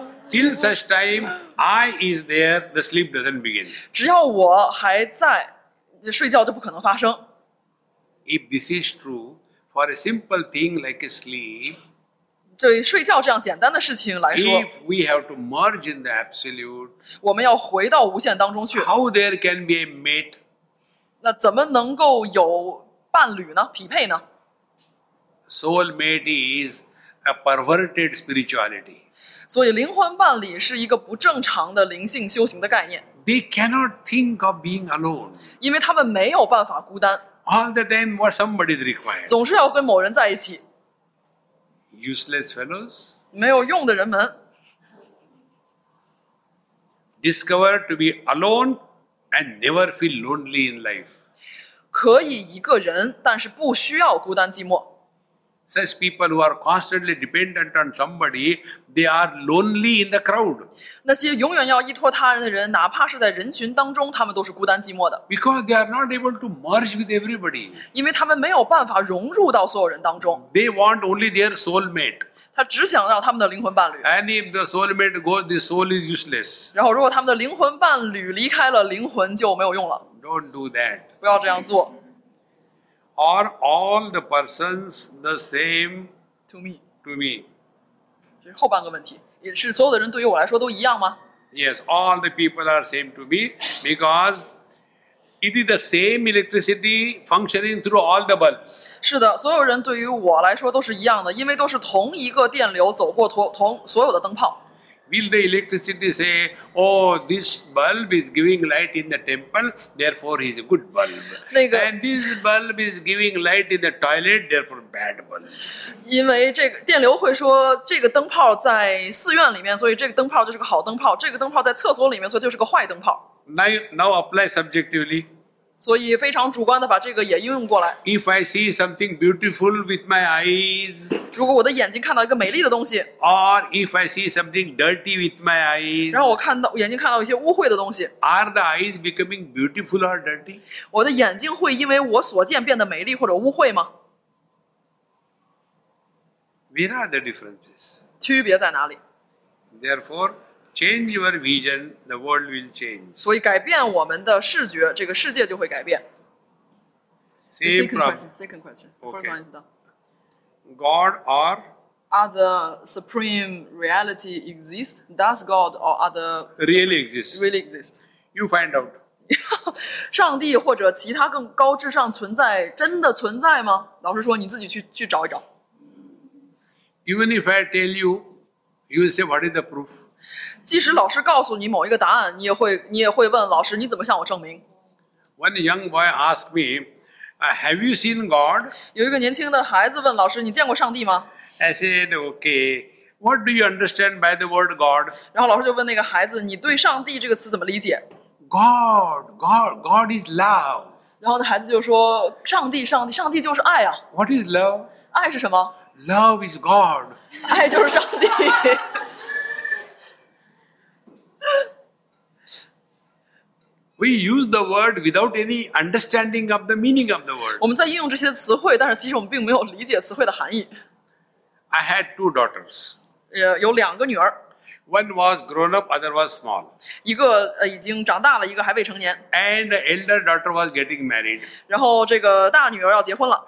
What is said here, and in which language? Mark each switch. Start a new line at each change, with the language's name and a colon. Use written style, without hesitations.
English: Till such time, I is there, the sleep doesn't begin.
Chinese: 只要我还在，睡觉就不可能发生。
English: If this is true, for a simple thing like a sleep,
Chinese: 对睡觉这样简单的事情来说
English: ，If we have to merge in the absolute,
Chinese: 我们要回到无限当中去。
English: How there can be a mate?
Chinese: 那怎么能够有伴侣呢？匹配呢
English: ？Soul mate is a perverted spirituality.
Chinese: 所以灵魂伴侣是一个不正常的灵性修行的概念。
English: They cannot think of being alone.
Chinese: 因为他们没有办法孤单。
English: All the time, what somebody is required.
Chinese: 总是要跟某人在一起。
English: Useless fellows.
Chinese: 没有用的人们。
English: Discover to be alone. And never feel lonely in life.
Chinese: 可以一个人，但是不需要孤单寂寞。
English: Such people who are constantly dependent on somebody, they are lonely in the crowd.
Chinese: 那些永远要依托他人的人，哪怕是在人群当中，他们都是孤单寂寞的。
English: Because they are not able to merge with everybody.
Chinese: 因为他们没有办法融入到所有人当中。
English: They want only their soulmate.
Chinese: 他只想要他们的灵魂伴侣。
English: And if the soulmate goes, the soul is useless.
Chinese: 然后，如果他们的灵魂伴侣离开了，灵魂就没有用了。
English: Don't do that.
Chinese: 不要这样做。
English: Are all the persons the same to me? To me.
Chinese: 这是后半个问题，也是所有的人对于我来说都一样吗
English: ？Yes, all the people are same to me because it is the same electricity functioning through all the bulbs.
Chinese: 是的，所有人对于我来说都是一样的，因为都是同一个电流走过同所有的灯泡。
English: Will the electricity say, "Oh, this bulb is giving light in the temple, therefore he's a good bulb"? 那个 And this bulb is giving light in the toilet, therefore bad bulb.
Chinese: 因为这个电流会说，这个灯泡在寺院里面，所以这个灯泡就是个好灯泡；这个灯泡在厕所里面，所以就是个坏灯泡。
English: Now apply subjectively.
Chinese: 所以非常主观的把这个也应用过来。
English: If I see something beautiful with my eyes,
Chinese: 如果我的眼睛看到一个美丽的东西
English: ，or if I see something dirty with my eyes,
Chinese: 让我看到眼睛看到一些污秽的东西
English: ，are the eyes becoming beautiful or dirty?
Chinese: 我的眼睛会因为我所见变得美丽或者污秽吗
English: ？Where are the differences?
Chinese: 区别在哪里
English: ？Therefore. Change your vision, the world will change.
Chinese: 所以改变我们的视觉，这个世界就会改变。
English: Same problem. Second question. First one is done. God or? Are the supreme reality exist? Does God or other? Really exist. Really exist. You find out.
Chinese: 上帝或者其他更高至上存在真的存在吗？老师说你自己去找一找。
English: Even if I tell you, you will say, "What is the proof?"
Chinese: 即使老师告诉你某一个答案，你也会问老师你怎么向我证明
English: ？One young boy asked me, "Have you seen God?"
Chinese: 有一个年轻的孩子问老师，你见过上帝吗
English: ？I said, "Okay. What do you understand by the word God?"
Chinese: 然后老师就问那个孩子，你对上帝这个词怎么理解
English: ？God is love.
Chinese: 然后那孩子就说，上帝就是爱啊。
English: What is love?
Chinese: 爱是什么
English: ？Love is God.
Chinese: 爱就是上帝。
English: We use the word without any understanding of the meaning of the word.
Chinese: 我们在应用这些词汇，但是其实我们并没有理解词汇的含义。
English: I had two daughters.
Chinese: 有两个女儿。
English: One was grown up, other was small.
Chinese: 一个已经长大了，一个还未成年。
English: And the elder daughter was getting married.
Chinese: 然后这个大女儿要结婚了。